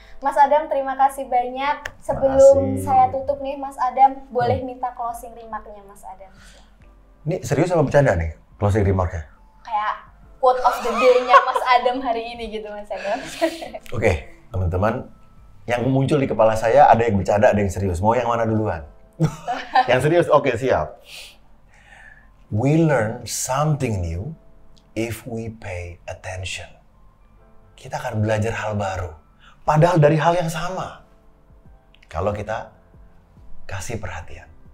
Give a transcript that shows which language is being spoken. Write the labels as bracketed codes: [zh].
[id] Mas Adam, terima kasih banyak. Sebelum saya tutup nih, Mas Adam, boleh minta closing remark-nya Mas Adam? Ini serius apa bercanda nih closing remark-nya? Kayak quote of the day-nya Mas Adam hari ini gitu, Mas Adam. Oke, okay, teman-teman. Yang muncul di kepala saya ada yang bercanda, ada yang serius. Mau yang mana duluan? Yang serius? Oke, okay, siap. [en] We learn something new if we pay attention. [id] Kita akan belajar hal baru. Padahal dari hal yang sama, kalau kita kasih perhatian.